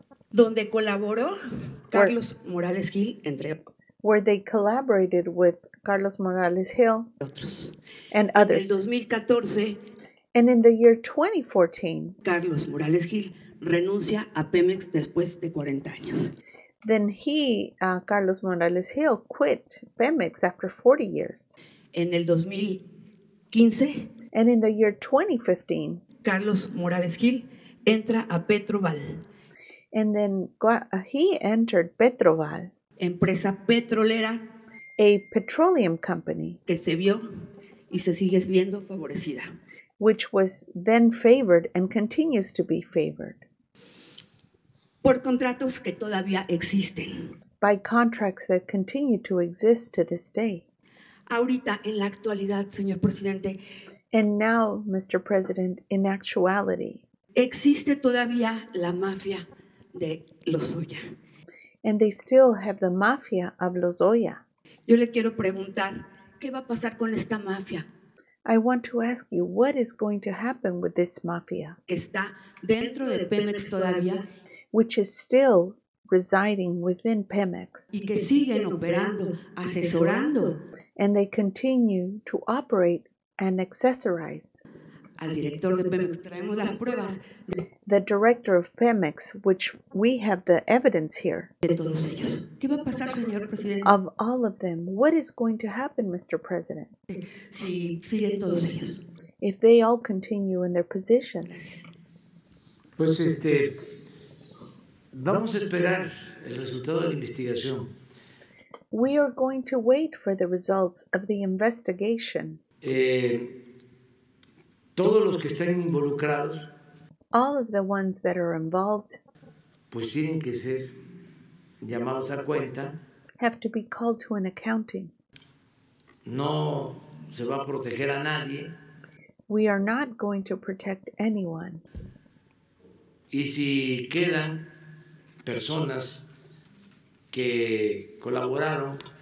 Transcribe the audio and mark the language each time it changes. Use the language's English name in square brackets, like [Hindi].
[Spanish] donde colaboró Carlos Morales Gil, entre otros. [English] Where they collaborated with Carlos Morales Gil [Spanish] otros. [English] And others. [Spanish] En el 2014, [English] and in the year 2014, [Spanish] Carlos Morales Gil renuncia a Pemex después de 40 años. [English] Then he, Carlos Morales Gil, quit Pemex after 40 years. [Spanish] En el 2015, [English] and in the year 2015, [Spanish] Carlos Morales Gil entra a Petroval. [English] And then he entered Petroval. [Spanish] Empresa petrolera, [English] a petroleum company, [Spanish] que se vio y se sigue viendo favorecida, [English] which was then favored and continues to be favored, [Spanish] por contratos que todavía existen, [English] by contracts that continue to exist to this day. [Spanish] Ahorita, en la actualidad, señor presidente, [English] and now, Mr. President, in actuality, [Spanish] existe todavía la mafia de Lozoya. [English] And they still have the mafia of Lozoya. [Spanish] Yo le quiero preguntar, ¿qué va a pasar con esta mafia? [English] I want to ask you, what is going to happen with this mafia? [Spanish] Está dentro de Pemex todavía. [English] Which is still residing within Pemex. [Spanish] Y que siguen operando, asesorando. [English] And they continue to operate and accessorize. [Spanish] Al director de Pemex traemos las pruebas. [English] The director of Pemex, which we have the evidence here. [Spanish] De todos ellos. ¿Qué va a pasar, señor presidente? [English] Of all of them. What is going to happen, Mr. President? [Spanish] Si siguen todos ellos. [English] If they all continue in their position. [Spanish] Pues vamos a esperar el resultado de la investigación. [English] We are going to wait for the results of the investigation. [Spanish] Todos los que están involucrados, [English] all of the ones that are involved, [Spanish] pues tienen que ser llamados a cuenta, [English] have to be called to an accounting. [Spanish] No se va a proteger a nadie. [English] We are not going to protect anyone. [Spanish] Y si quedan personas que colaboraron,